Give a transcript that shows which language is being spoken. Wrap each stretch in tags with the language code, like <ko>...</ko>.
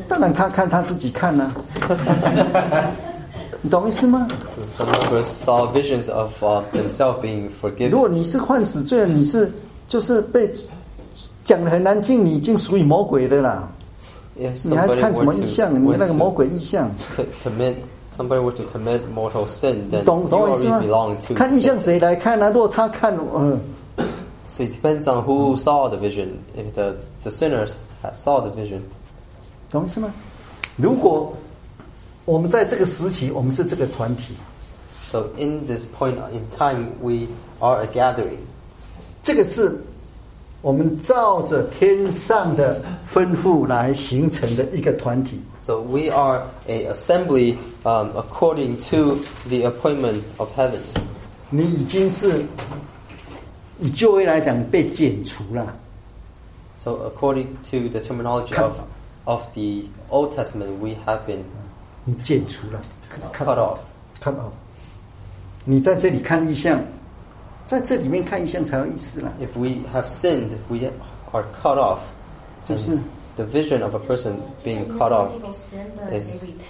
<zh>当然他看他自己看呢、啊。你懂意思吗？</zh> <en>Some members saw visions of themselves being forgiven.</en> <zh>如果你是犯死罪了，你是就是被讲得很难听，你已经属于魔鬼的啦。你还看什么异象？你那个魔鬼异象。</zh> <en>Commit somebody were to commit mortal sin, then</en> <zh>懂意思吗？</zh> <en>You already belong to</en> <zh>看异象谁来看呢、啊？如果他看，</zh> <en>So it depends on who saw the vision. If the sinners had saw the vision,</en> <zh>懂意思吗？如果我们在这个时期，我们是这个团体。</zh> <en>So in this point in time, we are a gathering.</en> <zh>这个是我们照着天上的吩咐来形成的一个团体。</zh> <en>So we are a assembly, according to the appointment of heaven.</en> <zh>你已经是以旧约来讲被剪除了。</zh> <en>So according to the terminology of the Old Testament, we have been.</en> <zh>你剪除了</zh> <en>cut off</en> <zh>你在这里看异象，在这里面看异象才有意思了。</zh> <en>If we have sinned, we are cut off.</en> <zh>是不是</zh> <en>The vision of a person being cut off is</en>